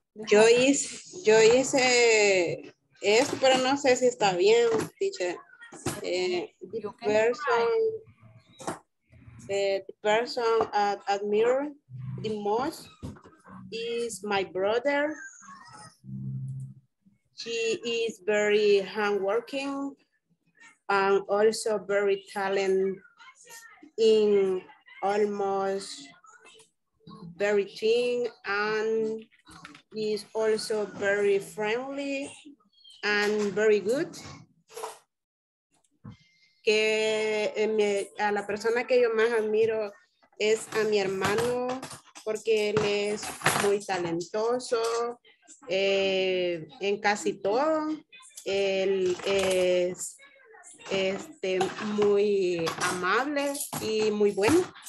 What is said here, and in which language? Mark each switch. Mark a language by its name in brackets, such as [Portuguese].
[Spanish] Yo hice esto, pero no sé si está bien, teacher. [English] The person I admire the most is my brother. She is very hardworking and also very talented in almost everything, and is also very friendly and very good. [Spanish] Que me, a la persona que yo más admiro es a mi hermano, porque él es muy talentoso en casi todo. Él es muy amable y muy bueno.